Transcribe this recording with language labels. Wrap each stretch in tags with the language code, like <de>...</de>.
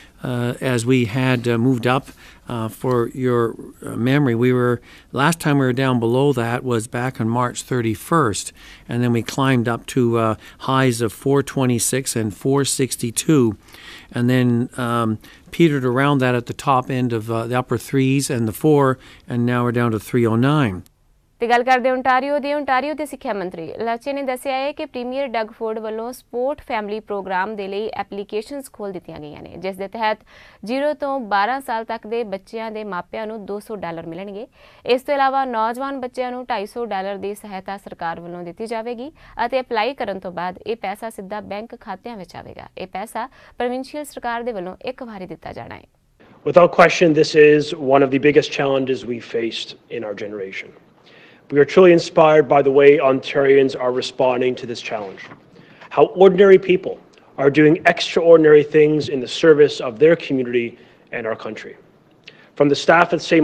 <en>As we had moved up, for your memory, last time we were down below that was back on March 31st, and then we climbed up to highs of 426 and 462, and then petered around that at the top end of the upper threes and the four, and now we're down to 309.</en> <pa>ਤੇ ਗੱਲ ਕਰਦੇ Ontario ਦੇ ਸਿੱਖਿਆ ਮੰਤਰੀ ਲਾਚੇ ਨੇ ਦੱਸਿਆ ਹੈ ਕਿ ਪ੍ਰੀਮੀਅਰ ਡੱਗ ਫੋਰਡ ਵੱਲੋਂ ਸਪੋਰਟ ਫੈਮਿਲੀ ਪ੍ਰੋਗਰਾਮ ਦੇ ਲਈ ਐਪਲੀਕੇਸ਼ਨਸ ਖੋਲ੍ਹ ਦਿੱਤੀਆਂ ਗਈਆਂ ਨੇ, ਜਿਸ ਦੇ ਤਹਿਤ 0 to 12 ਸਾਲ ਤੱਕ ਦੇ ਬੱਚਿਆਂ ਦੇ ਮਾਪਿਆਂ ਨੂੰ $200 ਮਿਲਣਗੇ। ਇਸ ਤੋਂ ਇਲਾਵਾ ਨੌਜਵਾਨ ਬੱਚਿਆਂ ਨੂੰ $250 ਦੀ ਸਹਾਇਤਾ ਸਰਕਾਰ ਵੱਲੋਂ ਦਿੱਤੀ ਜਾਵੇਗੀ ਅਤੇ ਅਪਲਾਈ ਕਰਨ ਤੋਂ ਬਾਅਦ ਇਹ ਪੈਸਾ ਸਿੱਧਾ ਬੈਂਕ ਖਾਤਿਆਂ ਵਿੱਚ ਆਵੇਗਾ। ਇਹ ਪੈਸਾ ਪ੍ਰੋਵਿੰਸ਼ੀਅਲ ਸਰਕਾਰ ਦੇ ਵੱਲੋਂ ਇੱਕ ਵਾਰੀ ਦਿੱਤਾ ਜਾਣਾ ਹੈ।</pa> <en>Without question, this is one of the biggest challenges we faced in our generation. We are truly inspired by the way Ontarians are responding to this challenge. How ordinary people are doing extraordinary things in the service of their community and our country. From the staff at St.</en>